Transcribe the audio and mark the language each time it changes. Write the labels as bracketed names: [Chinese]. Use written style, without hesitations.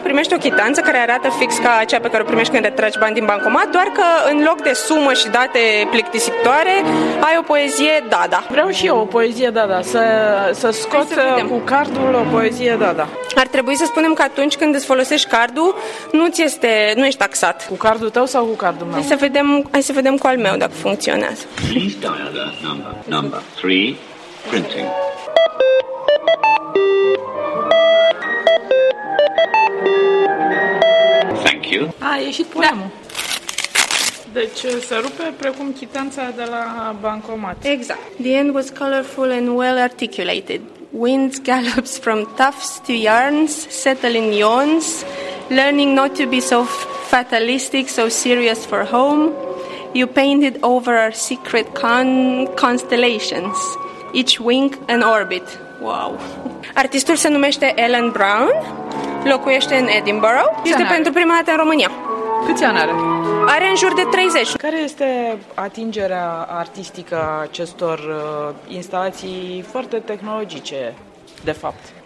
[Romanian] Primești o chitanță care arată fix ca aceea pe care o primești când retragi bani din bancomat, doar că în loc de sumă și date plictisitoare, ai o poezie Dada. Vreau și eu o poezie Dada, să scot cu cardul o poezie Dada. Ar trebui să spunem că atunci când îți folosești cardul, nu ești taxat. Cu cardul tău sau cu cardul meu? Hai să vedem cu al meu dacă funcționează. [English] Please dial the number 3, printing. Thank you. [Romanian] A ieșit poemul. Deci se rupe precum chitanța de la bancomat. Exact. [English] The end was colorful and well articulated. Winds gallops from tufts to yarns, settle in yawns, learning not to be so fatalistic, so serious for home. You painted over our secret constellations, each wing an orbit. Wow! [Romanian] Artistul se numește Alan Brown, locuiește în Edinburgh, este pentru prima dată în România. Câți ani are? Are în jur de 30. Care este atingerea artistică a acestor instalații foarte tehnologice, de fapt?